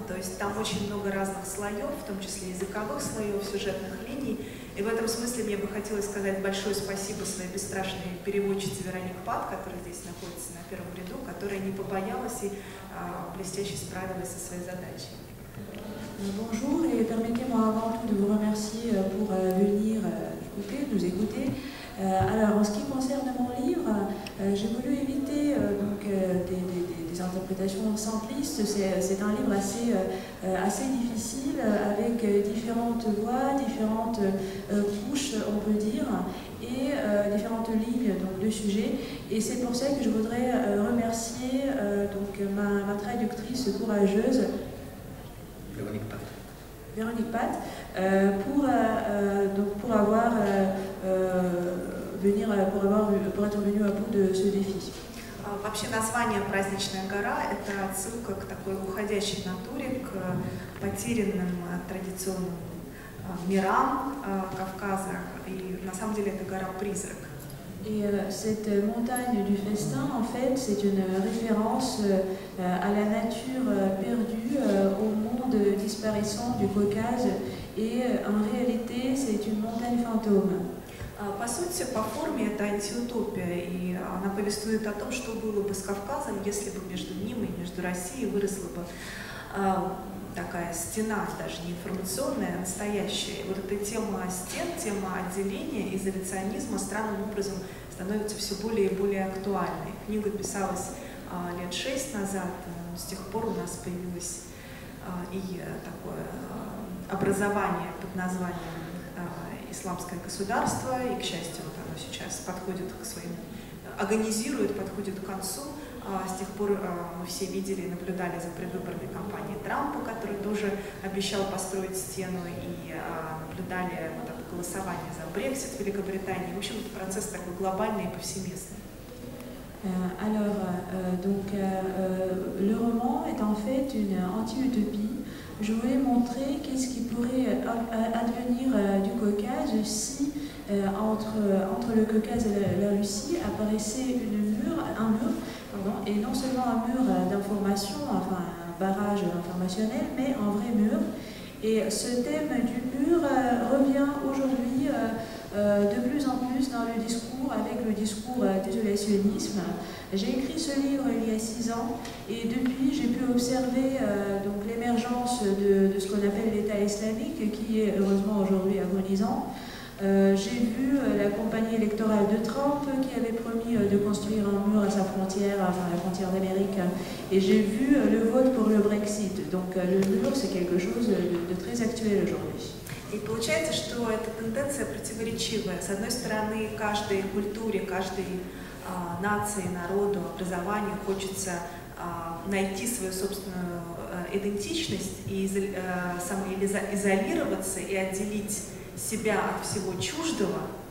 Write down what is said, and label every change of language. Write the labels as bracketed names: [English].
[Russian] То есть там очень много разных слоев, в том числе языковых слоев, сюжетных линий. И в этом смысле мне бы хотелось сказать большое спасибо своей бесстрашной переводчице Веронике Пат, которая здесь находится на первом ряду, которая не побоялась и блестяще справилась со своей задачей. [French] Bonjour et permettez-moi avant tout de vous remercier pour venir écouter, nous écouter. Alors en ce qui concerne mon livre, j'ai voulu éviter donc des interprétations simplistes. C'est un livre assez assez difficile avec différentes voix, différentes couches, on peut dire, et différentes lignes donc de sujets. Et c'est pour ça que je voudrais remercier donc ma traductrice courageuse. Véronique Pat, pour être venue à bout de ce défi. [Russian] Вообще название «Праздничная гора» — это отсылка к такой уходящей натуре, к потерянным традиционным мирам Кавказа. И на самом деле это гора-призрак. [French] Et cette montagne du festin, en fait, c'est une référence à la nature perdue, au monde disparaissant du Caucase. Et en réalité, c'est une montagne fantôme. [Russian] По сути, по форме, это антиутопия. И она повествует о том, что было бы с Кавказом, если бы между ним и между Россией выросла бы такая стена, даже не информационная, а настоящая. И вот эта тема стен, тема отделения, изоляционизма странным образом становится все более и более актуальной. Книга писалась лет 6 назад, с тех пор у нас появилось и такое образование под названием «Исламское государство», и, к счастью, вот оно сейчас подходит к своему, агонизирует, подходит к концу. С тех пор мы все видели и наблюдали за предвыборной кампанией Трампа, который тоже обещал построить стену, и наблюдали вот это голосование за Брексит в Великобритании. В общем, это процесс такой глобальный и повсеместный. [French] Alors, donc, le roman est en fait une anti-utopie. Je voulais montrer qu'est-ce qui pourrait advenir du Caucase si entre le Caucase et la Russie apparaissait un mur, et non seulement un mur d'information, enfin un barrage informationnel, mais un vrai mur. Et ce thème du mur revient aujourd'hui de plus en plus dans le discours, avec le discours d'isolationnisme. J'ai écrit ce livre il y a 6 ans, et depuis j'ai pu observer donc l'émergence de ce qu'on appelle l'État islamique, qui est heureusement aujourd'hui agonisant. J'ai vu la campagne électorale de Trump qui avait promis de construire un mur à sa frontière, enfin à la frontière d'Amérique, et j'ai vu le vote pour le Brexit. Donc le mur, c'est quelque chose de très actuel aujourd'hui. [Russian] И получается, что эта тенденция противоречивая. С одной стороны, каждой культуре, каждой нации, народу, образованию хочется найти свою собственную идентичность и изолироваться и отделить себя от всего чуждого,